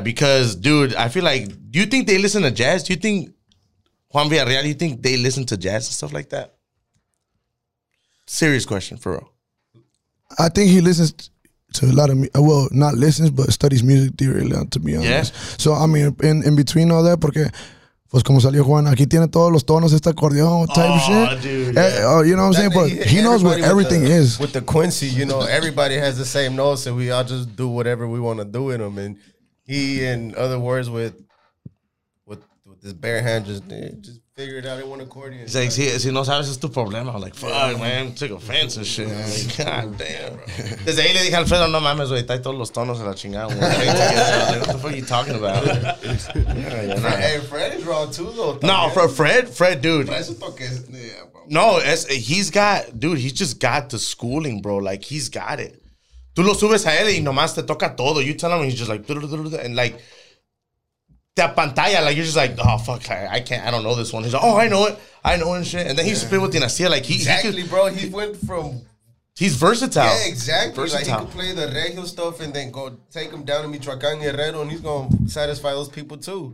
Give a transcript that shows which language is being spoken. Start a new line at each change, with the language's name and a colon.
English: Because, dude, I feel like, do you think they listen to jazz? Do you think Juan Villarreal, do you think they listen to jazz and stuff like that? Serious question, for real. I think he listens to a lot of, well, not listens, but studies music theory, to be honest. Yeah. So, I mean, in between all that, porque.
Spanish: Pues como salió Juan, aquí tiene todos los tonos, este acordeón type
English: oh, shit. Dude, yeah. You know what I'm saying? But he knows what everything is. With the Quincy, you know, everybody has the same notes and we all just do whatever we want to do in them. And he, in other words, with his bare hand, just figured out he won accordion. He's like, see,
Spanish: no sabes, es tu problema.
English: I'm like, fuck, man, took offense and shit. Man. God damn, bro.
Spanish: Desde ahí le dije a Alfredo, no mames, güey, trae todos los tonos de la chingada.
English: What the fuck are you talking about? Hey, Fred's wrong too, though. No, for Fred, dude. No, he's just got the schooling, bro. Like, he's got it.
Spanish: Tú lo subes a él y nomás te toca todo.
English: You tell him, he's just like, and like, that pantalla, like you're just like, oh fuck, I don't know this one. He's like, oh, I know and shit. And then he's playing with Dinastia, like he's versatile. Yeah, exactly. Versatile. Like he can play the regio stuff and then go take him down to Michoacán Guerrero and he's gonna satisfy those people too.